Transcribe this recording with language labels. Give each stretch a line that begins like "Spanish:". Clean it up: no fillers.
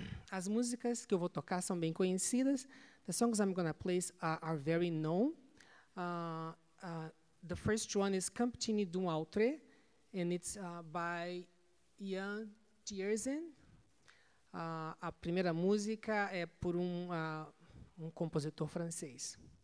Portuguese: As músicas que eu vou tocar são bem conhecidas.
English: The songs I'm going to play are very known. The first one is Comptine d'un autre, and it's by Yann, Tiersen.
Portuguese: A primeira música é por um compositor francês.